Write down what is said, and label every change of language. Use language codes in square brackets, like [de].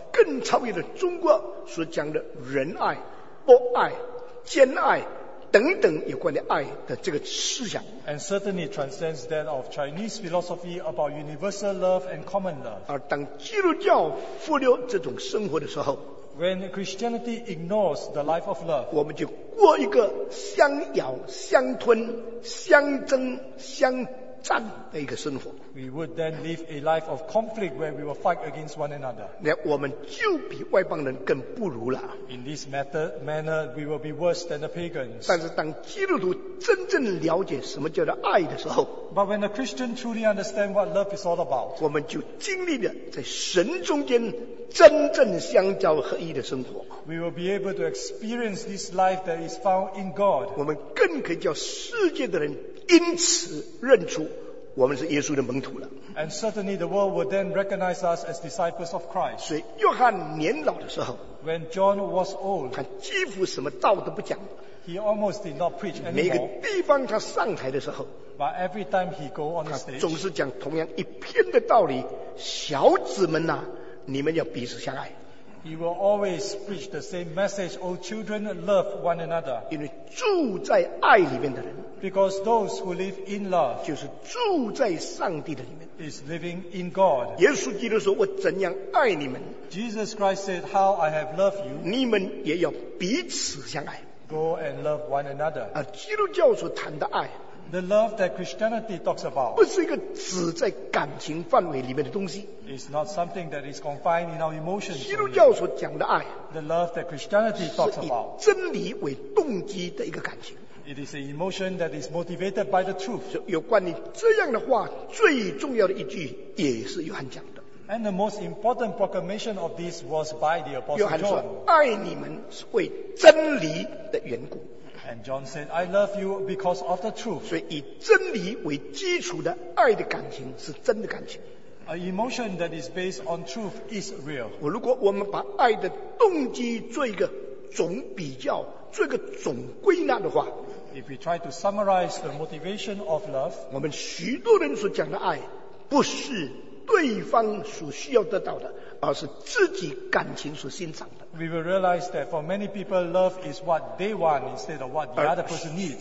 [zh] 更超越了中国所讲的仁爱、博爱、兼爱等等有关于爱的这个思想。 [en] And certainly transcends that of Chinese philosophy about universal love and common love. [zh] 而当基督教忽略这种生活的时候， [en] When Christianity ignores the life of love, [zh] 我们就过一个相咬、相吞、相争、相战的一个生活。 [en] We would then live a life of conflict where we will fight against one another. [zh] 那我们就比外邦人更不如了。 [en] In this manner, we will be worse than the pagans. [zh] 但是当基督徒真正了解什么叫做爱的时候， [en] But when a Christian truly understands what love is all about, [zh] 我们就经历了在神中间真正相交合一的生活。 [en] We will be able to experience this life that is found in God. [zh] 我们更可以叫世界的人因此认出我们是耶稣的门徒了。 [en] And certainly the world would then recognize us as disciples of Christ. [zh] 所以约翰年老的时候， [en] When John was old, [zh] 他几乎什么道都不讲。 [en] He almost did not preach anymore. [zh] 每个地方他上台的时候， [en] But every time he go on the stage, [zh] 他总是讲同样一篇的道理，小子们啊，你们要彼此相爱。 [en] He will always preach the same message, O children, love one another. [zh] 因为住在爱里面的人， [en] Because those who live in love, [zh] 就是住在上帝的里面， [en] is living in God. [zh] 耶稣基督说我怎样爱你们， [en] Jesus Christ said, how I have loved you, [zh] 你们也要彼此相爱， [en] go and love one another. [zh] 而基督教所谈的爱， [en] the love that Christianity talks about, [zh] 不是一个只在感情范围里面的东西。 [en] It's not something that is confined in our emotions. [zh] 基督教所讲的爱， [en] the love that Christianity talks about, [zh] 是以真理为动机的一个感情。 [en] It is an emotion that is motivated by the truth. [zh] 有关于这样的话，最重要的一句也是约翰讲的。 [en] And the most important proclamation of this was by the apostle John. [zh] 约翰说：“爱你们是为真理的缘故。” [en] And John said, "I love you because of the truth." [zh] 所以以真理为基础的爱的感情是真的感情。 [en] An emotion that is based on truth is real. [zh] 如果我们把爱的动机做一个总比较，做一个总归纳的话， [en] If we try to summarize the motivation of love, [zh] 我们许多人所讲的爱，不是对方所需要得到的，而是自己感情所欣赏的。 [en] We will realize that for many people, love is what they want instead of what the other person needs.